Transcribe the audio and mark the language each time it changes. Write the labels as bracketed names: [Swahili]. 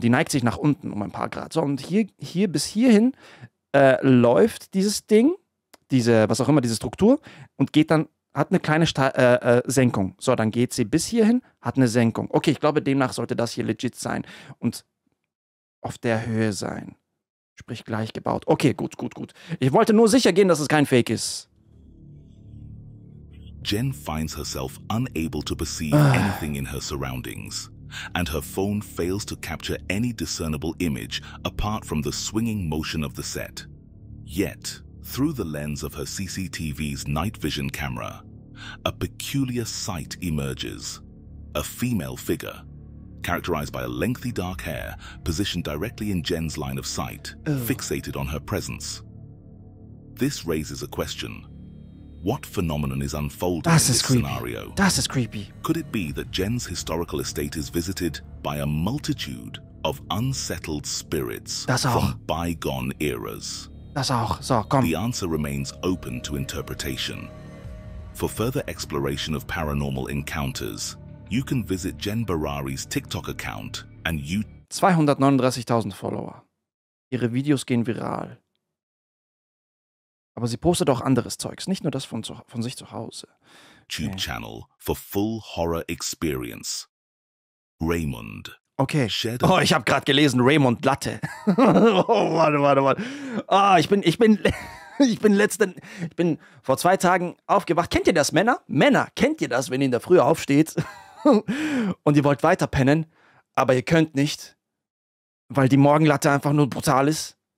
[German] Die neigt sich nach unten um ein paar Grad. So, und hier bis hierhin läuft dieses Ding, diese Struktur, und geht dann, hat eine kleine Senkung. So, dann geht sie bis hierhin, hat eine Senkung. Okay, ich glaube, demnach sollte das hier legit sein und auf der Höhe sein. Sprich, gleich gebaut. Okay, gut. Ich wollte nur sicher gehen, dass es kein Fake ist. [English] Jen finds herself unable to perceive anything in her surroundings, and her phone fails to capture any discernible image apart from the swinging motion of the set. Yet, through the lens of her CCTV's night vision camera, a peculiar sight emerges. A female figure, characterized by a lengthy dark hair, positioned directly in Jen's line of sight, fixated on her presence. This raises a question. What phenomenon is unfolding in this scenario? That is creepy. Could it be that Jen's historical estate is visited by a multitude of unsettled spirits from bygone eras? [German] Das auch. So, komm. [English] The answer remains open to interpretation. For further exploration of paranormal encounters, you can visit Jen Barari's TikTok account and you... [German] 239.000 Follower. Ihre Videos gehen viral. Aber sie postet auch anderes Zeugs, nicht nur das von sich zu Hause. [English] Okay. Tube Channel for full horror experience. Raymond. Okay. Shadow. [German] Oh, ich habe gerade gelesen, Raymond Latte. Oh, warte. Ah, oh, ich bin vor zwei Tagen aufgewacht. Kennt ihr das, Männer? Männer, kennt ihr das, wenn ihr in der Früh aufsteht und ihr wollt weiter pennen, aber ihr könnt nicht, weil die Morgenlatte einfach nur brutal ist?